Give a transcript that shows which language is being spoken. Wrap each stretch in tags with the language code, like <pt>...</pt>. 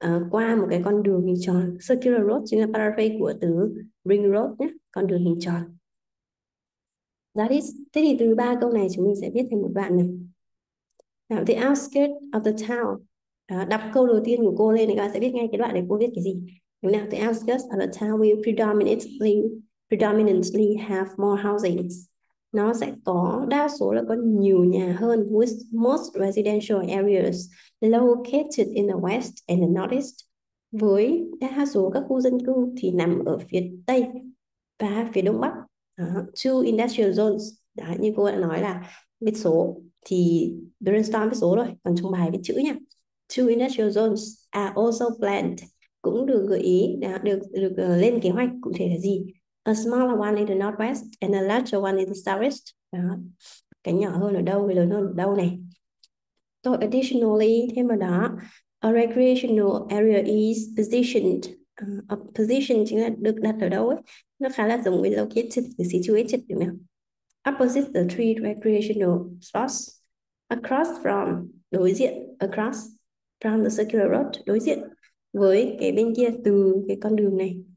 <vi>Qua một cái con đường hình tròn,</vi> <en>circular road,</en> <vi>chính là paraphrase của từ ring road nhé, con đường hình tròn. Thế thì từ ba câu này chúng mình sẽ viết thành một đoạn này.</vi> <en>Now, the outskirts of the town.</en> <vi>Đọc câu đầu tiên của cô lên thì các bạn sẽ biết ngay cái đoạn này cô viết cái gì. Now, the outskirts of the town will predominantly have more housings. Nó sẽ có đa số là có nhiều nhà hơn,</vi> <en>with most residential areas located in the west and the northeast.</en> <vi>Với đa số các khu dân cư thì nằm ở phía tây và phía đông bắc.</vi> <en>Two industrial zones.</en> <vi>Đó, như cô đã nói là viết số thì brainstorm viết số rồi, còn trong bài viết chữ nha.</vi> <en>Two industrial zones are also planned.</en> <vi>Cũng được gợi ý, được lên kế hoạch cụ thể là gì?</vi> <en>A smaller one in the northwest and a larger one in the southeast.</en> <vi>Đó. Cái nhỏ hơn ở đâu, cái lớn hơn ở đâu này.</vi> <en>So additionally,</en> <vi>thêm vào đó,</vi> <en>a recreational area is positioned.</en> <vi>Position chính là được đặt ở đâu ấy. Nó khá là giống với located, situated, đúng không?</vi> <en>Opposite the three recreational spots. Across from,</en> <vi>đối diện,</vi> <en>across from the circular road,</en> <vi>đối diện với cái bên kia từ cái con đường này.</vi>